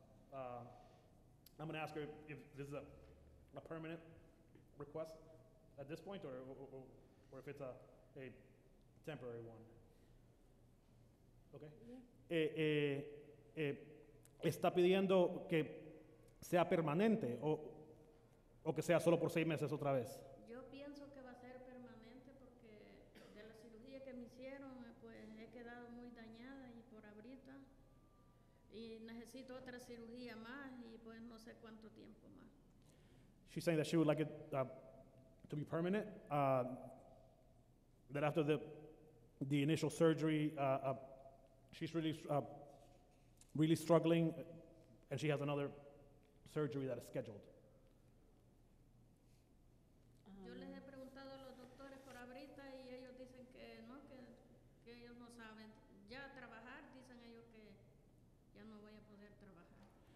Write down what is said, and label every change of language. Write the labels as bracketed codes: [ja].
[en] So I'm going to ask her if this is a permanent request at this point, or if it's a temporary one. Okay. Yeah. [es] Está pidiendo que sea permanente o que sea solo por 6 meses otra vez. Yo pienso que va a ser permanente porque de la cirugía que me hicieron, pues he quedado muy dañada y por ahorita y necesito otra cirugía más y pues no sé cuánto tiempo más. [en] She's saying that she would like it to be permanent. That after the initial surgery, she's really really struggling, and she has another surgery that is scheduled. [es] Yo les he preguntado a los doctores por ahorita y ellos dicen que no, que ellos no saben ya trabajar, dicen ellos que ya no voy a poder trabajar.